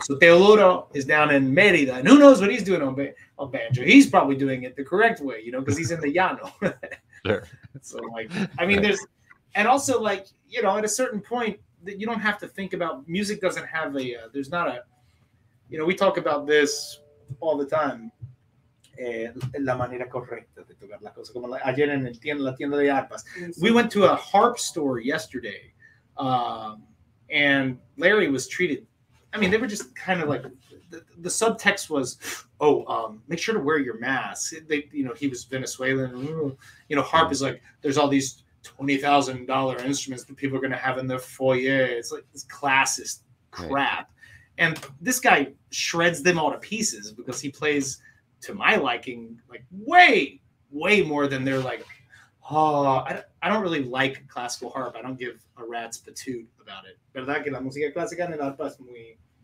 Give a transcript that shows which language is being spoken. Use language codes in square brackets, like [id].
[en] So Teodoro is down in Mérida, and who knows what he's doing on banjo. He's probably doing it the correct way, you know, because he's in the llano. Sure. So, like, I mean, there's, and also, like, you know, at a certain point, that you don't have to think about, music doesn't have a, there's not a, you know, we talk about this all the time. [es] La manera correcta de tocar la cosa, como ayer en el tienda, la tienda de arpas. [en] We went to a harp store yesterday, and Larry was treated. I mean, they were just kind of like, the subtext was, make sure to wear your mask. They, you know, he was Venezuelan. You know, harp is like, there's all these $20,000 instruments that people are going to have in their foyer. It's like this classist crap. Right. And this guy shreds them all to pieces because he plays, to my liking, like way, way more than they're like, I don't really like classical harp. I don't give a rat's patoot about it. [es] ¿Verdad que la música clásica en el arpa es muy...